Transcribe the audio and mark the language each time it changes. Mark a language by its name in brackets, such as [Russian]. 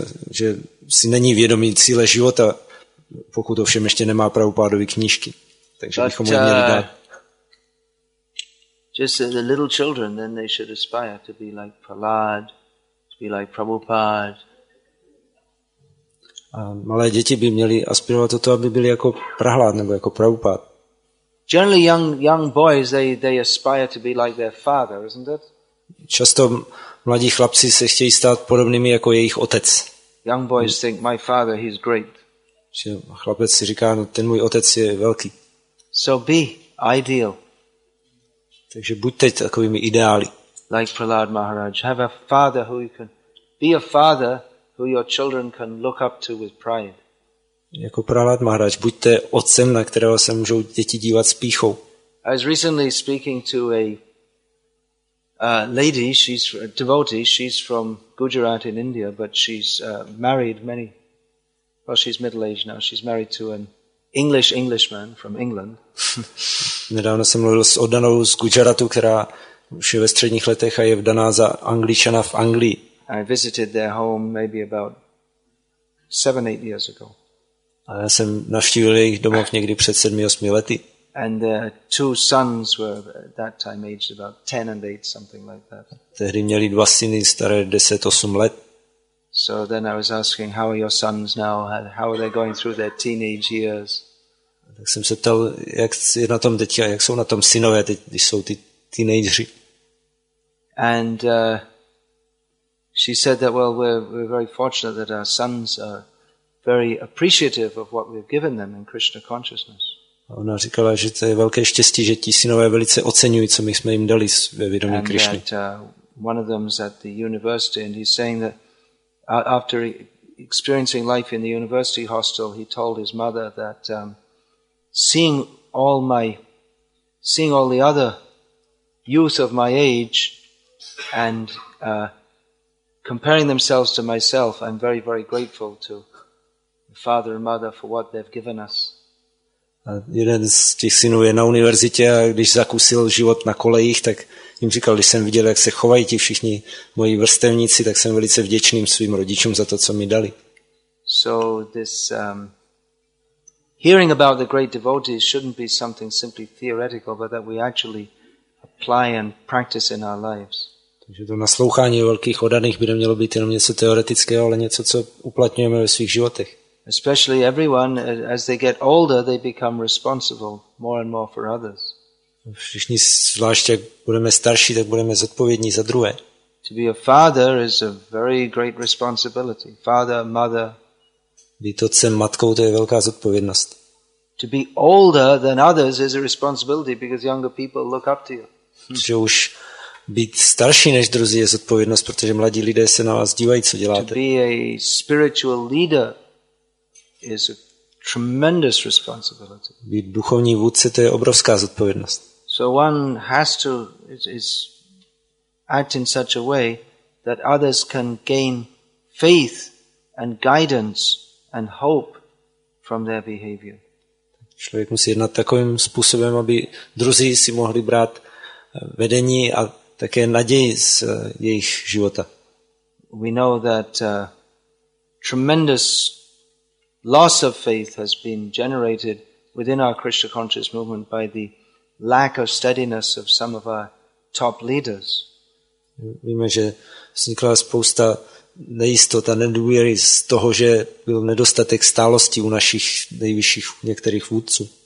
[Czech] že si není vědomý cíle života, pokud ovšem ještě nemá Prabhupádovy knížky. Takže bychom mu měli dát. [English] Just the little children, then they should aspire to be like Prahlad, to be like Prabhupada. [Czech] A malé děti by měly aspirovat o to, aby byli jako Prahlád nebo jako Prabhupád. [English] Generally young boys they aspire to be like their father, isn't it? [Czech] Často mladí chlapci se chtějí stát podobnými jako jejich otec. [English] Young boys think my father he's great. [Czech] Že chlapec si říká, no, ten můj otec je velký. [English] So be ideal. [Czech] Takže buďte takovými ideály. [English] Like Prahlad Maharaj, have a father who you can be a father who your children can look up to with pride. [Czech] Jako Prahlad Maharaj, buďte otcem, na kterého se můžou děti dívat s pýchou. [English] I was recently speaking to a lady, she's a devotee, she's from Gujarat in India, but she's married many well she's middle-aged now, she's married to an Englishman from England. [Czech] Nedávno jsem mluvil s oddanou z Gujaratu, která už je ve středních letech a je vdaná za Angličana v Anglii. [English] I visited their home maybe about 7-8 years ago. [Czech] A já jsem navštívil jejich domov někdy před 7-8 lety. [English] And their two sons were at that time aged about 10 and 8 something like that. [Czech] Tehdy měli dva syny staré 10-8 let. [English] So then I was asking how are your sons now, how are they going through their teenage years? [Czech] Tak jsem se ptal, jak je na tom teď, jak jsou na tom synové teď, když jsou ty teenageři. [English] And she said that well we're very fortunate that our sons are very appreciative of what we've given them in Krishna consciousness. [Czech] A ona říkala, že to je velké štěstí, že ti synové velice oceňují, co my jsme jim dali ve vědomí Krišny. [English] And that, one of them's at the university and he's saying that after experiencing life in the university hostel, he told his mother that seeing all the other youth of my age and comparing themselves to myself, I'm very, very grateful to the father and mother for what they've given us. [Czech] A jeden z těch synů je na univerzitě a když zakusil život na kolejích, tak jim říkal, když jsem viděl, jak se chovají ti všichni moji vrstevníci, tak jsem velice vděčným svým rodičům za to, co mi dali. [English] So this hearing about the great devotees shouldn't be something simply theoretical, but that we actually apply and practice in our lives. [Czech] Takže to naslouchání velkých odaných by nemělo být jenom něco teoretického, ale něco, co uplatňujeme ve svých životech. [English] Especially everyone, as they get older, they become responsible more and more for others. [Czech] Všichni, zvláště jak budeme starší, tak budeme zodpovědní za druhé. [English] To be a father is a very great responsibility. Father, mother. [Czech] Být otcem, matkou, to je velká zodpovědnost. [English] To be older than others is a responsibility because younger people look up to you. [Czech] Že už být starší než druzí je zodpovědnost, protože mladí lidé se na vás dívají, co děláte. [English] To be a spiritual leader is a tremendous responsibility. [Czech] Být duchovní vůdce, to je obrovská zodpovědnost. [English] So one has to is act in such a way that others can gain faith and guidance and hope from their behavior. [Czech] Člověk musí jednat takovým způsobem, aby druzí si mohli brát vedení a také naději z jejich života. [English] We know that tremendous loss of faith has been generated within our Krishna conscious movement by the lack of steadiness of some of our top leaders. [Czech] Víme, že vznikla spousta nejistota, nedůvěry z toho, že byl nedostatek stálosti u našich nejvyšších některých vůdců.